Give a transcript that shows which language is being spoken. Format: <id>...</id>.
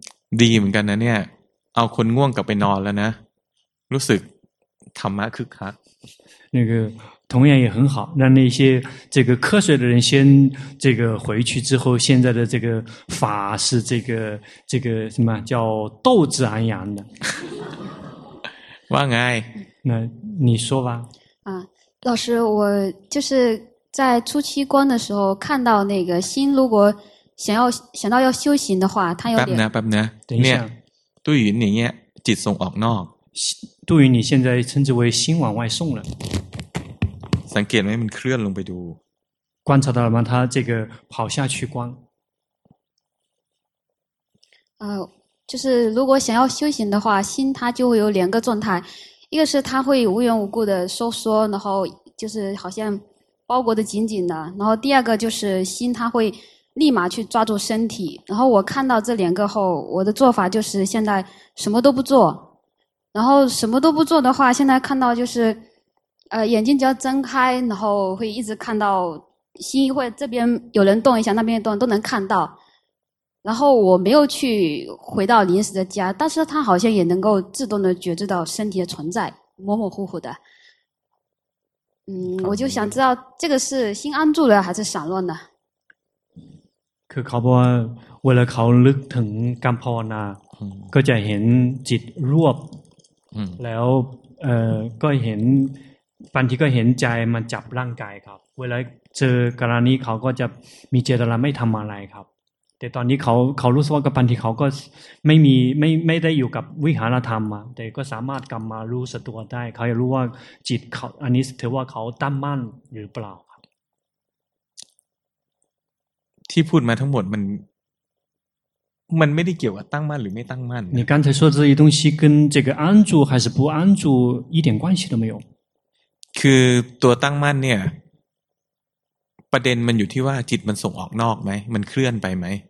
<th>ดีเหมือนกันนะเนี่ยเอาคนง่วงกลับไปนอนแล้วนะรู้สึกธรรมะคึกคัก</th> <zh>那个同样也很好让那些这个瞌睡的人先这个回去之后现在的这个法是这个什么叫斗志昂扬的万爱那你说吧啊老师我就是在初期观的时候看到那个心如果想到要修行的话他有点等一下对于你呢，จิต送</zh> <th>ออกนอก，</th> <zh>对于你现在称之为心往外送了。</zh> <th>สังเกตไหมมันเคลื่อนลงไปดู，</th> <zh>观察到了吗？它这个跑下去光。就是如果想要修行的话，心它就会有两个状态，一个是它会无缘无故的收缩，然后就是好像包裹的紧紧的，然后第二个就是心它会立马去抓住身体，然后我看到这两个后，我的做法就是现在什么都不做，然后什么都不做的话，现在看到就是眼睛只要睁开，然后会一直看到心会这边有人动一下，那边动都能看到，然后我没有去回到临时的家，但是他好像也能够自动的觉知到身体的存在，模模糊糊的。我就想知道这个是心安住了还是散乱的。</zh> <th>คือเขาบอกว่าเวลาเขาลึกถึงการภาวนาก็จะเห็นจิตรวบแล้วก็เห็นบางทีก็เห็นใจมันจับร่างกายครับเวลาเจอกรณีเขาก็จะมีเจตนาไม่ทำอะไรครับแต่ตอนนี้เขารู้สึกว่ากับบางทีเขาก็ไม่ได้อยู่กับวิหารธรรมมาแต่ก็สามารถกลับมารู้สตัวได้เขาจะรู้ว่าจิตเขาอันนี้ถือว่าเขาตั้งมั่นหรือเปล่า ที่พูดมาทั้งหมดมันไม่ได้เกี่ยวกับตั้งมั่นหรือไม่ตั้งมั่น</th> <zh>你刚才说这些东西跟这个安住还是不安住一点关系都没有</zh> <th>คือตัวตั้งมั่นเนี่ยประเด็นมันอยู่ที่ว่าจิตมันส่งออกนอกไหมมันเคลื่อนไปไหม</th>